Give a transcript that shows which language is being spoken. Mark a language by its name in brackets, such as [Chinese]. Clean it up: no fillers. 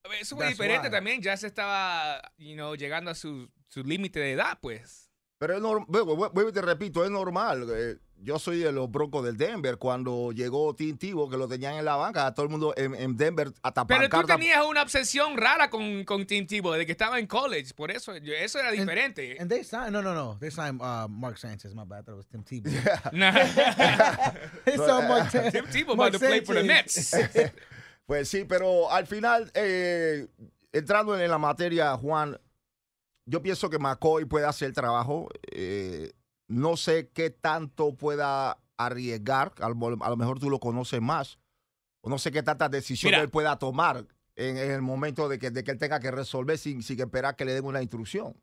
[Spanish] Eso fue diferente también, ya se estaba, you know, llegando a su límite de edad, pues. Pero es normal, te repito, es normal. Yo soy de los Broncos del Denver, cuando llegó Tim Tebow, que lo tenían en la banca, todo el mundo en Denver, hasta pero pancarta. Tú tenías una obsesión rara con Tim Tebow, desde que estaba en college, por eso era diferente. [English] And they signed, no, they signed Mark Sanchez, my bad, that was Tim Tebow. Yeah. But, Tim Tebow about to play for the Mets. [Spanish] Pues sí, pero al final, entrando en la materia, Juan, yo pienso que McCoy puede hacer el trabajo. No sé qué tanto pueda arriesgar, a lo mejor tú lo conoces más, o no sé qué tanta decisión él pueda tomar en el momento de que él tenga que resolver sin esperar que le den una instrucción.